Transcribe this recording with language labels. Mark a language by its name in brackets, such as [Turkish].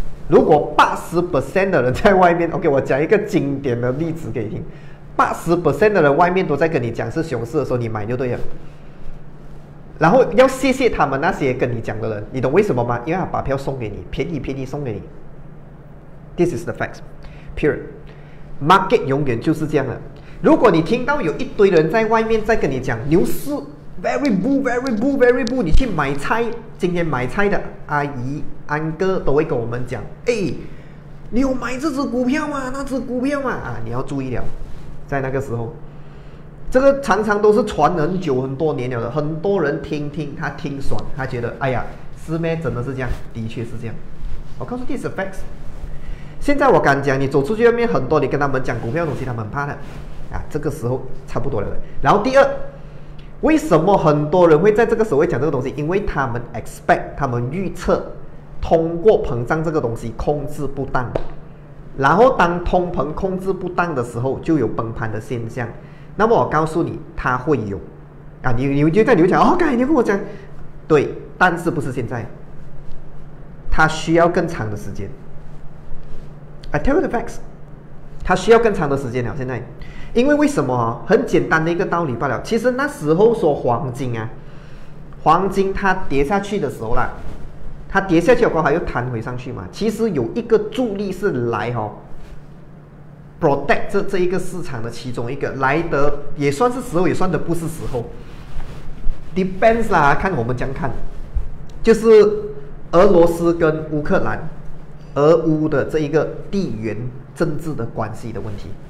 [Chinese] 如果 80% 的人在外面， OK， 我讲一个经典的例子给你听， 80% 的人外面都在跟你讲是熊市的时候，你买就对了。然后要谢谢他们那些跟你讲的人，你懂为什么吗？因为他把票送给你，便宜便宜送给你。 [English] This is the facts period. [Chinese] Market 永远就是这样的。如果你听到有一堆人在外面在跟你讲牛市 [English] very bull very bull very bull， [Chinese] 你去买菜，今天买菜的阿姨安哥都会跟我们讲，哎，你有买这只股票吗？那只股票吗？啊，你要注意了。在那个时候，这个常常都是传很久很多年了的，很多人听他听爽，他觉得哎呀师妹真的是这样，的确是这样。我告诉 [English] this facts， [Chinese] 现在我敢讲，你走出去外面很多，你跟他们讲股票的东西，他们很怕的啊，这个时候差不多了。然后第二，为什么很多人会在这个时候讲这个东西？因为他们 expect， 他们预测通货膨胀这个东西控制不当，然后当通膨控制不当的时候就有崩盘的现象。那么我告诉你它会有啊，你就讲哦，刚才你跟我讲对，但是不是现在，它需要更长的时间。 [English] I tell you the facts， [Chinese] 它需要更长的时间了。现在因为什么，很简单的一个道理罢了。其实那时候说黄金啊，黄金它跌下去的时候啦，它跌下去过后又弹回上去嘛，其实有一个助力是来、哦、protect 这一个市场的其中一个，来的也算是时候，也算的不是时候， depends 啦，看我们这样看，就是俄罗斯跟乌克兰俄乌的这一个地缘政治的关系的问题。